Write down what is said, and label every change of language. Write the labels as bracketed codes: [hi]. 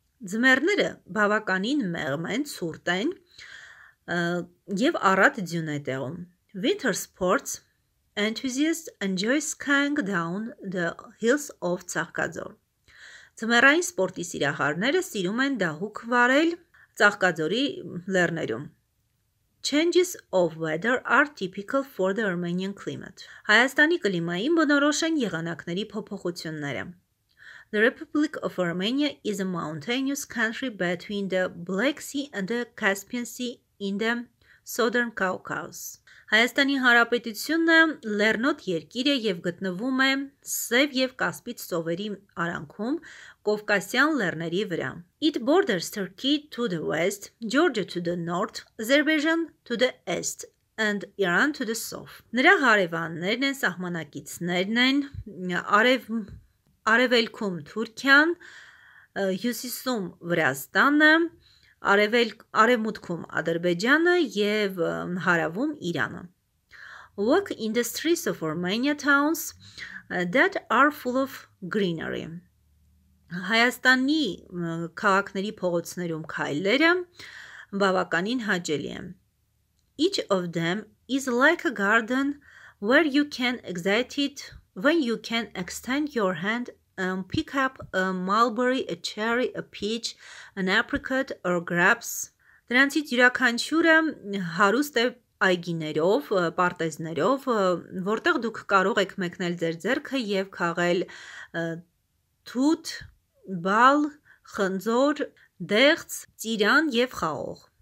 [hy] Ձմեռները բավականին մեղմ են, ցուրտ են եւ առատ ձյուն է տեղում։ [en] Winter sports enthusiasts enjoy skiing down the hills of Tsakhkadzor. [hy] Ձմեռային սպորտի սիրահարները սիրում են դահուկ վարել Tsakhkadzori լեռներում. [en] Changes of weather are typical for the Armenian climate. [hy] Հայաստանի կլիմային բնորոշ են եղանակների փոփոխությունները. [en] The Republic of Armenia is a mountainous country between the Black Sea and the Caspian Sea in the Southern Caucasus. [hy] Հայաստանի հանրապետությունը լեռնոտ երկիր է եւ գտնվում է Սև եւ Կասպից ծովերի արանքում Կովկասյան լեռների վրա։ [en] It borders Turkey to the west, Georgia to the north, Azerbaijan to the east and Iran to the south. [hy] Նրա հարևաններն են սահմանակիցներն են արևելքում Թուրքիան, հյուսիսում Վրաստանը, արևմուտքում Ադրբեջանը եւ հարավում Իրանը. [en] Walk in the streets of Armenia towns that are full of greenery. [hy] Հայաստանի քաղաքների փողոցներում քայլերը բավականին հաճելի են. [en] Each of them is like a garden where you can exit it when you can extend your hand and pick up a mulberry, a cherry, a peach, an apricot or grapes. [hy] Դրանցից յուրաքանչյուրը հարուստ է այգիներով, պարտեզներով, որտեղ դուք կարող եք մեկնել ձեր ձեռքը եւ քաղել թութ, բալ, խնձոր, դեղց, ծիրան եւ խաղող.